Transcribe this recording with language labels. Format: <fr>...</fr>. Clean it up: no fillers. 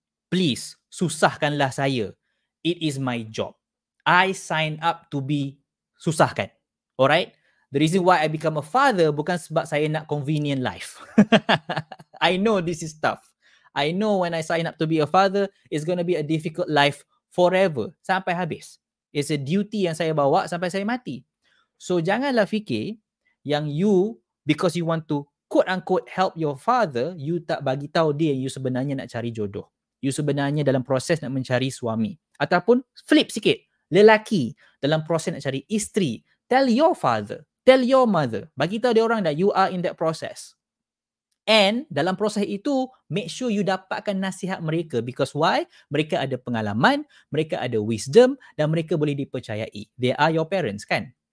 <en>Please,</en> <ms>susahkanlah saya.</ms> <en>It is my job. I sign up to be susahkan. Alright? The reason why I become a father</en> <ms>bukan sebab saya nak</ms> <en>convenient life. I know this is tough. I know when I sign up to be a father, it's going to be a difficult life forever.</en> <ms>Sampai habis.</ms> <en>It's a duty</en> <ms>yang saya bawa sampai saya mati. So, janganlah fikir yang you,</ms> <en>because you want to quote-unquote help your father,</en> <ms>you tak bagi tahu dia yang you sebenarnya nak cari jodoh. You sebenarnya dalam proses nak mencari suami. Ataupun flip sikit, lelaki dalam proses nak cari isteri.</ms> <en>Tell your father, tell your mother.</en> <ms>Bagi tahu dia orang</ms> <en>that you are in that process.</en> <ms>And dalam proses itu,</ms> <en>make sure you</en> <ms>dapatkan nasihat mereka.</ms> <en>Because why?</en> <ms>Mereka ada pengalaman, mereka ada wisdom dan mereka boleh dipercayai.</ms> <en>They are your parents,</en> <ms>kan?</ms>